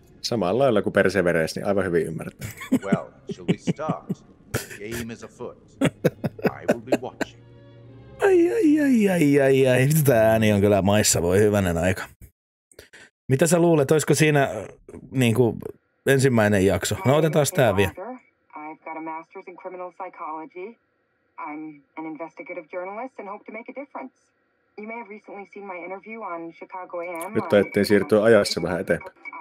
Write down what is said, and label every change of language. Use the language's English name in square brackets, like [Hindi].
[Finnish] Samalla lailla kuin Perseveres, niin aivan hyvin ymmärtää. [English] Well, shall we start? Game is afoot. I will be watching. [Finnish] Ai. Tätä ääni on kyllä maissa, voi hyvänen aika. Mitä sä luulet, olisiko siinä niin kuin ensimmäinen jakso? No otetaan tää vielä. [English] I've got a master's in criminal psychology. I'm an investigative journalist and hope to make a difference. You may have recently seen my interview on Chicago AM. [Finnish] Nyt taidettiin siirtyä ajassa vähän eteenpäin.